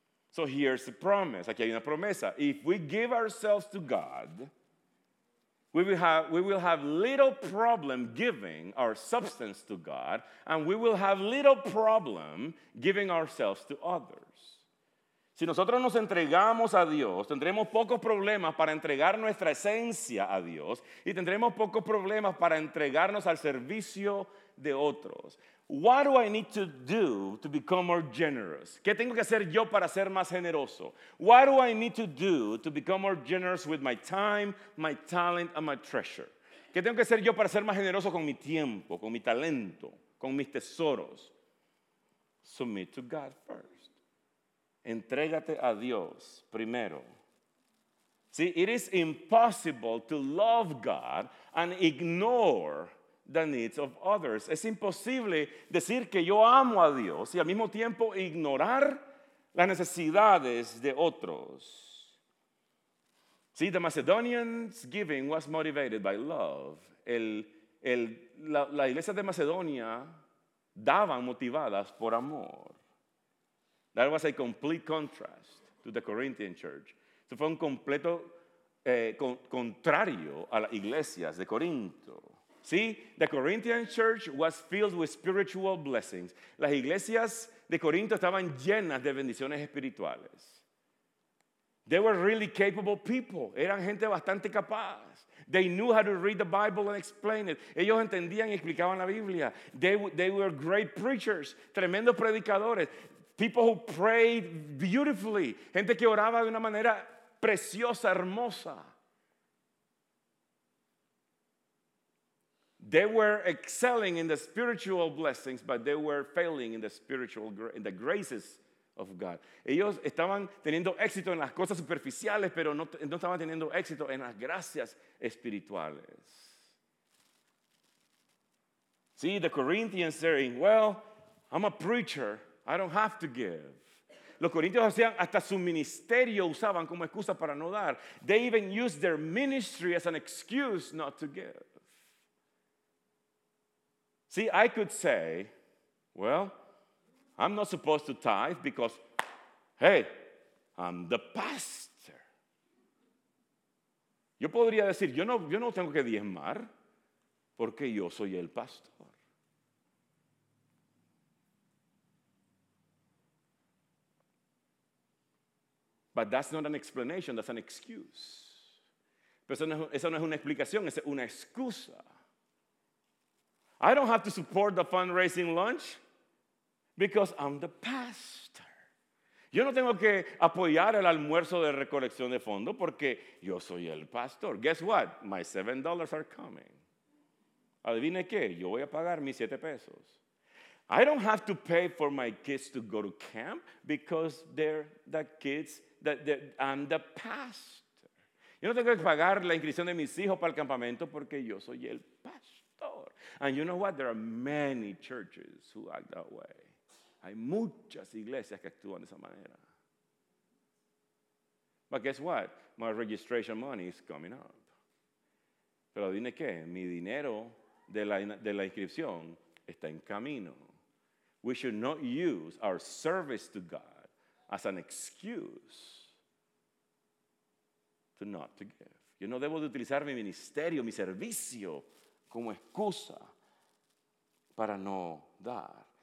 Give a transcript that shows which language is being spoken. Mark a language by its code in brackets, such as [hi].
[en] So here's the promise. [es] Aquí hay una promesa. [en] If we give ourselves to God, we will have little problem giving our substance to God, and we will have little problem giving ourselves to others. [es] Si nosotros nos entregamos a Dios, tendremos pocos problemas para entregar nuestra esencia a Dios, y tendremos pocos problemas para entregarnos al servicio de otros. [en] What do I need to do to become more generous? [es] ¿Qué tengo que hacer yo para ser más generoso? [en] What do I need to do to become more generous with my time, my talent, and my treasure? [es] ¿Qué tengo que hacer yo para ser más generoso con mi tiempo, con mi talento, con mis tesoros? [en] Submit to God first. [es] Entrégate a Dios primero. [en] See, it is impossible to love God and ignore the needs of others. [es] Es imposible decir que yo amo a Dios y al mismo tiempo ignorar las necesidades de otros. [en] See, the Macedonians' giving was motivated by love. [es] La iglesia de Macedonia daban motivadas por amor. [en] That was a complete contrast to the Corinthian church. [es] Eso fue un completo contrario a las iglesias de Corinto. [en] See, the Corinthian church was filled with spiritual blessings. [es] Las iglesias de Corinto estaban llenas de bendiciones espirituales. [en] They were really capable people. [es] Eran gente bastante capaz. [en] They knew how to read the Bible and explain it. [es] Ellos entendían y explicaban la Biblia. [en] They were great preachers, [es] tremendos predicadores. [en] People who prayed beautifully. [es] Gente que oraba de una manera preciosa, hermosa. [en] They were excelling in the spiritual blessings, but they were failing in the spiritual in the graces of God. [es] Ellos estaban teniendo éxito en las cosas superficiales, pero no estaban teniendo éxito en las gracias espirituales. [en] See, the Corinthians saying, well, I'm a preacher, I don't have to give. [es] Los corintios hacían hasta su ministerio usaban como excusa para no dar. [en] They even used their ministry as an excuse not to give. See, I could say, well, I'm not supposed to tithe because, hey, I'm the pastor. [es] Yo podría decir, yo no tengo que diezmar porque yo soy el pastor. [en] But that's not an explanation, that's an excuse. [es] Pero eso no es una explicación, es una excusa. [en] I don't have to support the fundraising lunch because I'm the pastor. [es] Yo no tengo que apoyar el almuerzo de recolección de fondo porque yo soy el pastor. [en] Guess what? My $7 are coming. [es] ¿Adivine qué? Yo voy a pagar mis 7 pesos. [en] I don't have to pay for my kids to go to camp because they're the kids that I'm the pastor. [es] Yo no tengo que pagar la inscripción de mis hijos para el campamento porque yo soy el pastor. [en] And you know what? There are many churches who act that way. [es] Hay muchas iglesias que actúan de esa manera. [en] But guess what? My registration money is coming up. [es] Pero dime qué, mi dinero de la inscripción está en camino. [en] We should not use our service to God as an excuse to not to give. [es] Yo no debo de utilizar mi ministerio, mi servicio, como excusa para no dar.